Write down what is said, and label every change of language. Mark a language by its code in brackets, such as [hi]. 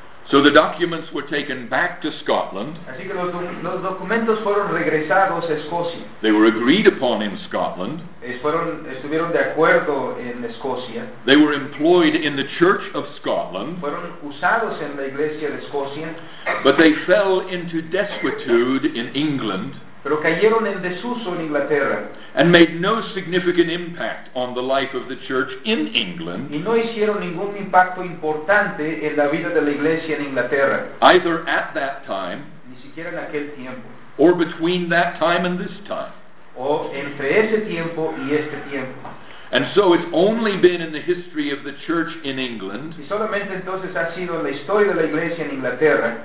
[en] So the documents were taken back to Scotland. [es] Así que los documentos fueron regresados a Escocia. [en] They were agreed upon in Scotland. [es] Estuvieron de acuerdo en Escocia. [en] They were employed in the Church of Scotland. [es] Fueron usados en la Iglesia de Escocia. [en] But they fell into desuetude in England. [es] Pero cayeron en desuso en Inglaterra. [en] And made no significant impact on the life of the church in England. [es] Y no hicieron ningún impacto importante en la vida de la iglesia en Inglaterra. [en] Either at that time. [es] Ni siquiera en aquel tiempo. [en] Or between that time and this time. [es] O entre ese tiempo y este tiempo. [en] And so it's only been in the history of the church in England. [es] Y solamente entonces ha sido en la historia de la iglesia en Inglaterra.